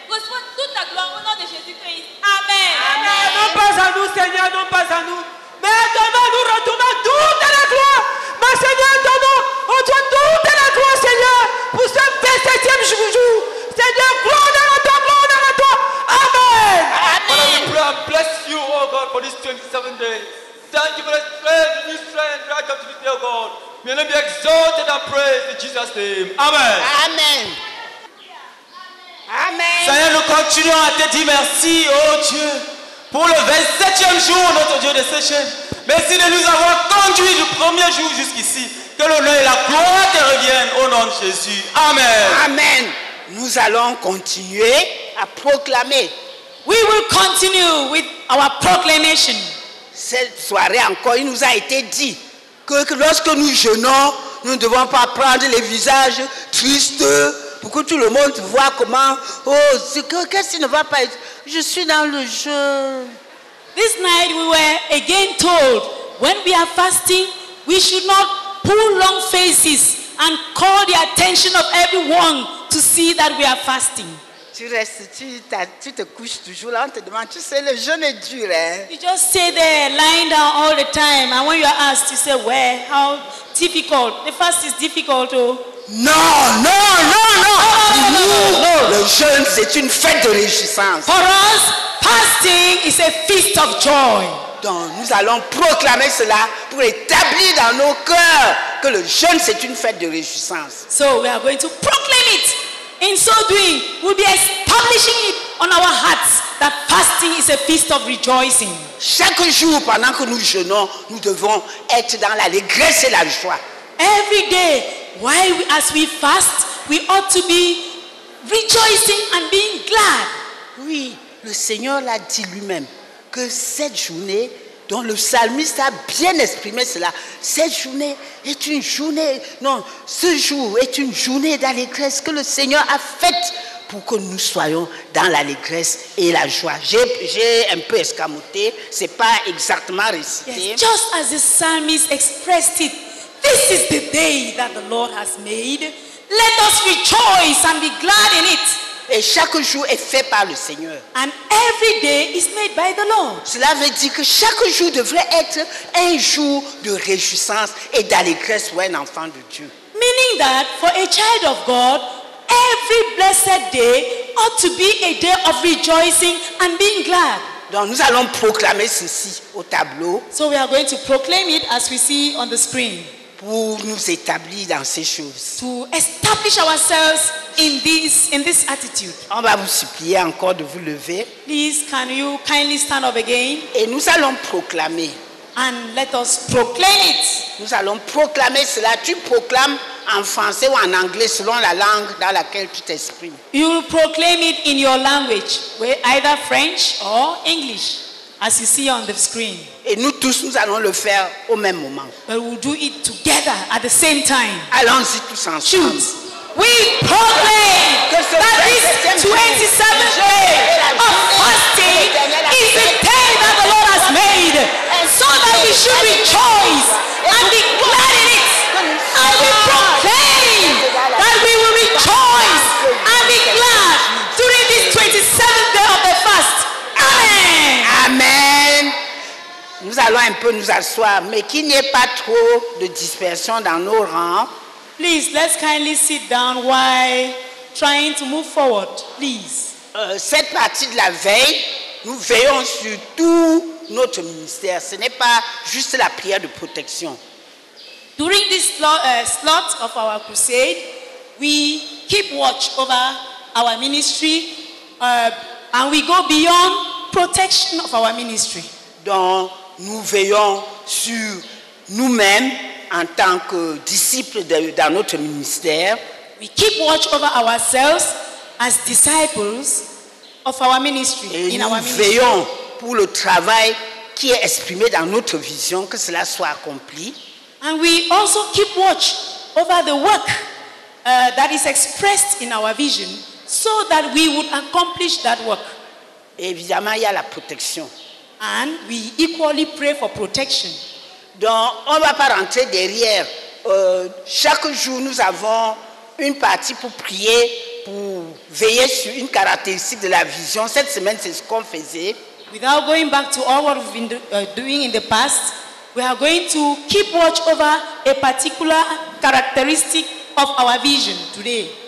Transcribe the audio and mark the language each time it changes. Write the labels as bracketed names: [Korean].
[French] Reçois toute ta gloire au nom de Jésus-Christ. Amen. Amen. Amen. Non pas à nous, Seigneur, non pas à nous. Mais demain, nous retournons toute la gloire. Ma Seigneur, ton nom, on doit toute la gloire, Seigneur, pour ce 27e jour. Seigneur, gloire à toi, gloire à toi. Amen. Amen. [English] Father, we pray and bless you, O God, for this 27 days. Thank you for the strength, new strength, right up to this day, O God. May I be exalted and praised in Jesus' name. Amen. Amen. Amen. [French] Seigneur, nous continuons à te dire merci, ô Dieu. Pour le 27e jour, notre Dieu de Seychelles, merci de nous avoir conduits du premier jour jusqu'ici. Que l'honneur et la gloire te reviennent au nom de Jésus. Amen. Amen. Nous allons continuer à proclamer. [English] We will continue with our proclamation. [French] Cette soirée encore, il nous a été dit que lorsque nous jeûnons, nous ne devons pas prendre les visages tristes pour que tout le monde voit comment, oh, qu'est-ce qui ne va pas être. Je suis dans le jeûne. [English] This night we were again told, when we are fasting, we should not pull long faces and call the attention of everyone to see that we are fasting. [French] Tu restes, tu te couches toujours là, on te demande, tu sais, le jeûne est dur, hein? [English] You just stay there, lying down all the time, and when you are asked, you say, where, well, how difficult. The fast is difficult, oh. [French] Non. Le jeûne, c'est une fête de réjouissance. [English] For us, fasting is a feast of joy. [French] Donc, nous allons proclamer cela pour établir dans nos cœurs que le jeûne, c'est une fête de réjouissance. [English] So, we are going to proclaim it. In so doing, we'll be establishing it on our hearts that fasting is a feast of rejoicing. [French] Chaque jour, pendant que nous jeûnons, nous devons être dans l'allégresse et la joie. [English] Every day, as we fast, we ought to be rejoicing and being glad. [French] Oui, le Seigneur l'a dit lui-même que cette journée, dont le psalmiste a bien exprimé cela, cette journée est une journée, non, ce jour est une journée d'allégresse que le Seigneur a faite pour que nous soyons dans l'allégresse et la joie. J'ai un peu escamoté, c'est pas exactement récité. [English] Yes, just as the psalmist expressed it, this is the day that the Lord has made. Let us rejoice and be glad in it. [French] Et chaque jour est fait par le Seigneur. [English] And every day is made by the Lord. [French] Cela veut dire que chaque jour devrait être un jour de réjouissance et d'allégresse pour un enfant de Dieu. [English] Meaning that for a child of God, every blessed day ought to be a day of rejoicing and being glad. [French] Donc nous allons proclamer ceci au tableau. [English] So we are going to proclaim it as we see on the screen. [French] Pour nous établir dans ces choses. [English] To establish ourselves in this attitude. [French] On va vous supplier encore de vous lever. [English] Please, can you kindly stand up again? [French] Et nous allons proclamer. [English] And let us proclaim it. [French] Nous allons proclamer cela. Tu proclames en français ou en anglais selon la langue dans laquelle tu t'exprimes. [English] You will proclaim it in your language, either French or English, as you see on the screen. [French] Et nous tous, nous allons le faire au même moment. [English] But we'll do it together at the same time. [French] Allons-y tous ensemble. [English] Choose. We proclaim that this 27th day of fasting is the day that the Lord has made, so that we should rejoice and be glad in it. And we proclaim that we will rejoice and be glad during this 27th day of the fast. Amen. Amen. [French] Nous allons un peu nous asseoir, mais qu'il n'y ait pas trop de dispersion dans nos rangs. [English] Please, let's kindly sit down while trying to move forward, please. [French] Cette partie de la veille, nous veillons sur tout notre ministère. Ce n'est pas juste la prière de protection. [English] During this slot of our crusade, we keep watch over our ministry and we go beyond protection of our ministry. [French] Donc, nous veillons sur nous-mêmes en tant que disciples dans notre ministère. [English] We keep watch over ourselves as disciples of our ministry. [French] Et [English] in [French] nous [English] our [French] veillons [English] ministry. [French] Pour le travail qui est exprimé dans notre vision, que cela soit accompli. [English] And we also keep watch over the work that is expressed in our vision, so that we would accomplish that work. [French] Et évidemment, il y a la protection. [English] And we equally pray for protection. [French] Donc, on ne va pas rentrer derrière. Chaque jour, nous avons une partie pour prier, pour veiller sur une caractéristique de la vision. Cette semaine, c'est ce qu'on faisait. [English] Without going back to all what we've been doing in the past, we are going to keep watch over a particular characteristic of our vision today.